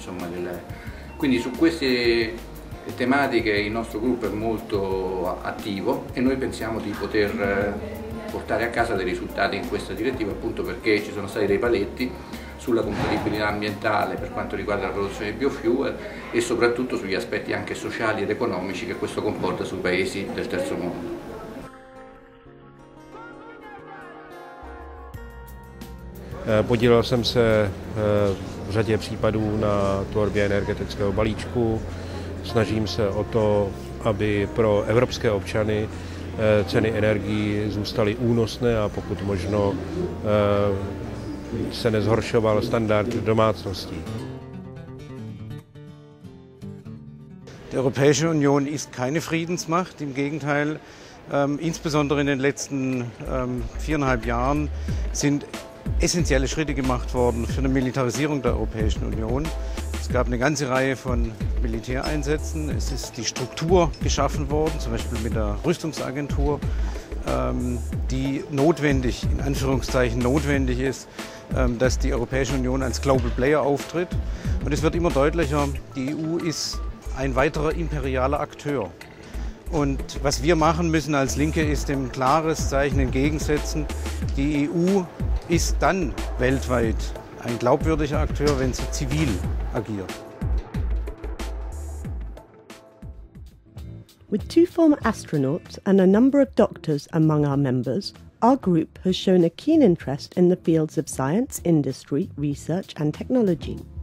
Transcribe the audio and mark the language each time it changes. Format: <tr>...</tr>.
<it>Insomma, quindi su queste tematiche il nostro gruppo è molto attivo e noi pensiamo di poter portare a casa dei risultati in questa direttiva, appunto perché ci sono stati dei paletti sulla compatibilità ambientale per quanto riguarda la produzione di biofuel e soprattutto sugli aspetti anche sociali ed economici che questo comporta sui paesi del terzo mondo.</it> <cs>Podílel jsem se v řadě případů na tvorbě energetického balíčku, snažím se o to, aby pro evropské občany ceny energií zůstaly únosné a pokud možno se nezhoršoval standard domácností.</cs> <de>Die Europäische Union ist keine Friedensmacht, im Gegenteil. Insbesondere in den letzten viereinhalb Jahren sind essentielle Schritte gemacht worden für eine Militarisierung der Europäischen Union. Es gab eine ganze Reihe von Militäreinsätzen. Es ist die Struktur geschaffen worden, zum Beispiel mit der Rüstungsagentur, die notwendig, in Anführungszeichen notwendig ist, dass die Europäische Union als Global Player auftritt. Und es wird immer deutlicher, die EU ist ein weiterer imperialer Akteur. Und was wir machen müssen als Linke, ist ein klares Zeichen entgegensetzen. Die EU ist dann weltweit ein glaubwürdiger Akteur, wenn sie zivil agiert.</de> <en>With two former astronauts and a number of doctors among our members, our group has shown a keen interest in the fields of science, industry, research and technology.</en>